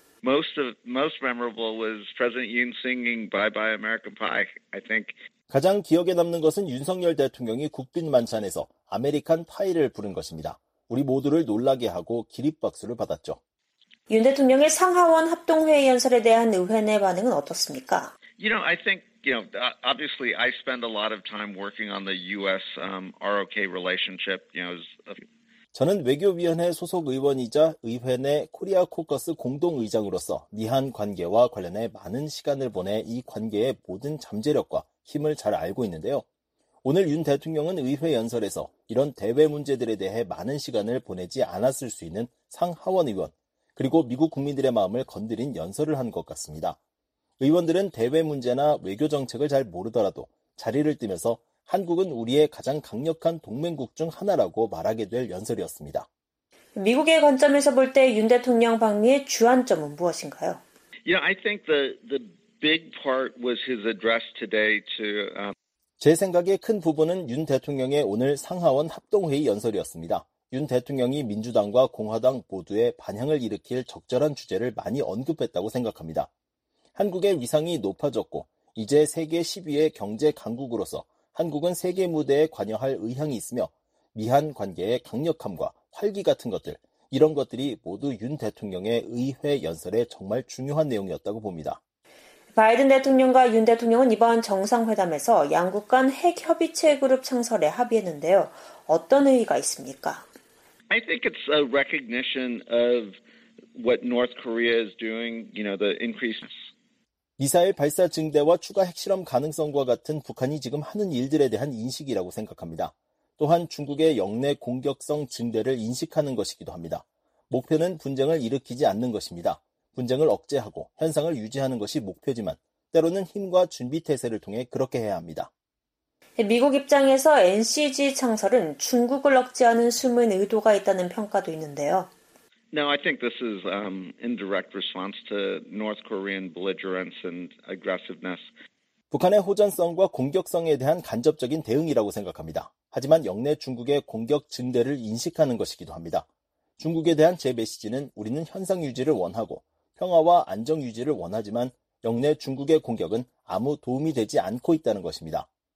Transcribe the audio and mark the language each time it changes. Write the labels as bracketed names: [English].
[English] Most memorable was President Yoon singing Bye Bye American Pie, I think. [Korean] 가장 기억에 남는 것은 윤석열 대통령이 국빈 만찬에서 아메리칸 파이를 부른 것입니다. 우리 모두를 놀라게 하고 기립박수를 받았죠. 윤 대통령의 상하원 합동회의 연설에 대한 의회 내 반응은 어떻습니까? [English] You know, I think, you know, obviously I spend a lot of time working on the U.S. ROK relationship. You know, [Korean] 저는 외교위원회 소속 의원이자 의회 내 코리아 코커스 공동의장으로서 미한 관계와 관련해 많은 시간을 보내 이 관계의 모든 잠재력과 힘을 잘 알고 있는데요. 오늘 윤 대통령은 의회 연설에서 이런 대외 문제들에 대해 많은 시간을 보내지 않았을 수 있는 상하원 의원, 그리고 미국 국민들의 마음을 건드린 연설을 한 것 같습니다. 의원들은 대외 문제나 외교 정책을 잘 모르더라도 자리를 뜨면서 한국은 우리의 가장 강력한 동맹국 중 하나라고 말하게 될 연설이었습니다. 미국의 관점에서 볼 때 윤 대통령 방미의 주안점은 무엇인가요? [English] Yeah, I think the big part was his address today to [Korean] 제 생각의 큰 부분은 윤 대통령의 오늘 상하원 합동회의 연설이었습니다. 윤 대통령이 민주당과 공화당 모두의 반향을 일으킬 적절한 주제를 많이 언급했다고 생각합니다. 한국의 위상이 높아졌고 이제 세계 10위의 경제 강국으로서 한국은 세계 무대에 관여할 의향이 있으며 미한 관계의 강력함과 활기 같은 것들, 이런 것들이 모두 윤 대통령의 의회 연설에 정말 중요한 내용이었다고 봅니다. 바이든 대통령과 윤 대통령은 이번 정상회담에서 양국 간 핵 협의체 그룹 창설에 합의했는데요. 어떤 의의가 있습니까? [English] I think it's a recognition of what North Korea is doing, you know, the increase. [Korean] 미사일 발사 증대와 추가 핵실험 가능성과 같은 북한이 지금 하는 일들에 대한 인식이라고 생각합니다. 또한 중국의 역내 공격성 증대를 인식하는 것이기도 합니다. 목표는 분쟁을 일으키지 않는 것입니다. 분쟁을 억제하고 현상을 유지하는 것이 목표지만 때로는 힘과 준비태세를 통해 그렇게 해야 합니다. 미국 입장에서 NCG 창설은 중국을 억제하는 숨은 의도가 있다는 평가도 있는데요. [English] No, I think this is indirect response to North Korean belligerence and aggressiveness. [Korean] 북한의 호전성과 공격성에 대한 간접적인 대응이라고 생각합니다. 하지만 역내 중국의 공격 증대를 인식하는 것이기도 합니다. 중국에 대한 제 메시지는 우리는 현상 유지를 원하고 평화와 안정 유지를 원하지만 역내 중국의 공격은 아무 도움이 되지 않고 있다는 것입니다.